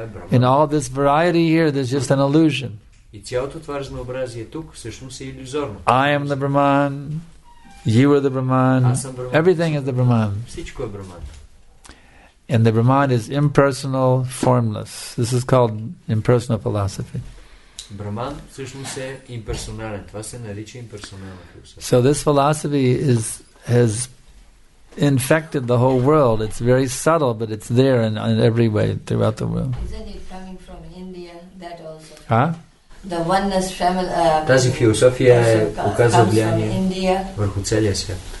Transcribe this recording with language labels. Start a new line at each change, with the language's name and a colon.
English: In all this variety here, there's just an illusion. I am the Brahman. You are the Brahman. Everything is the Brahman. And the Brahman is impersonal, formless. This is called impersonal philosophy.
Bulgarian: Brahman всъщност е имперсонален. Това се нарича имперсонална философия.
English: So this philosophy has infected the whole world. It's very subtle, but it's there in every way throughout the world. Isn't it coming from India, that also? Huh? The oneness family.
Bulgarian: Тази философия оказва влияние върху целия свят.